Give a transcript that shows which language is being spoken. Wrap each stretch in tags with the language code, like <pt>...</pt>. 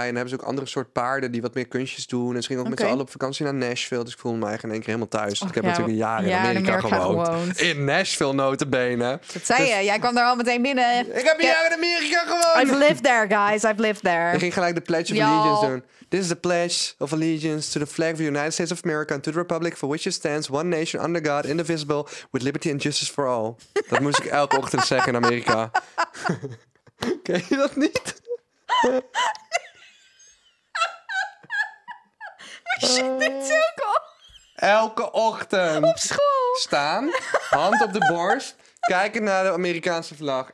<nl>En dan hebben ze ook andere soort paarden die wat meer kunstjes doen. En ze gingen ook met z'n allen op vakantie naar Nashville. Dus ik voelde me eigenlijk in één keer helemaal thuis. Ik heb natuurlijk een jaar in Amerika gewoond. In Nashville, notabene. Dat zei je. Jij kwam daar al meteen binnen. Ik heb een jaar in Amerika gewoond.</nl> <en>I've lived there, guys. I've lived there.</en> <nl>Ik ging gelijk de Pledge of Allegiance doen.</nl> <en>This is the Pledge of Allegiance to the flag of the United States of America and to the Republic for which it stands, one nation under God, indivisible, with liberty and justice for all.</en> <nl>Dat moest ik elke ochtend zeggen in Amerika. Ken je dat niet? Shit, dit is ook al. Elke ochtend. Op school. Staan, hand op de borst, kijken naar de Amerikaanse vlag.</nl>